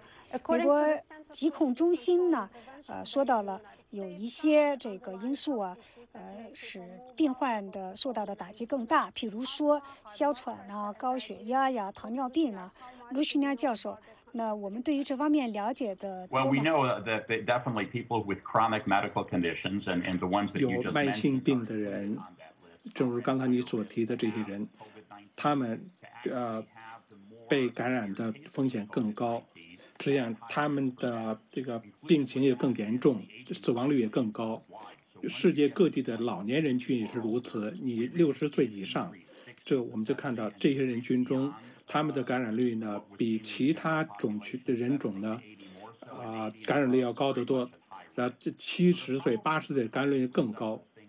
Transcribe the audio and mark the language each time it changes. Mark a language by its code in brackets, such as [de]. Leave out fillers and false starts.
[zh] 美国疾控中心呢，说到了有一些这个因素啊，使病患的受到的打击更大，譬如说哮喘啊、高血压呀、糖尿病啊。卢旭亮教授，那我们对于这方面了解的多吗？ [en] Well, we know that definitely people with chronic medical conditions and the ones that you just mentioned. [zh] 有慢性病的人，正如刚才你所提的这些人，他们被感染的风险更高，这样他们的这个病情也更严重，死亡率也更高。世界各地的老年人群也是如此，你60岁以上，这我们就看到这些人群中，他们的感染率呢比其他种群的人种呢感染率要高得多，然后这70岁80岁的感染率更高。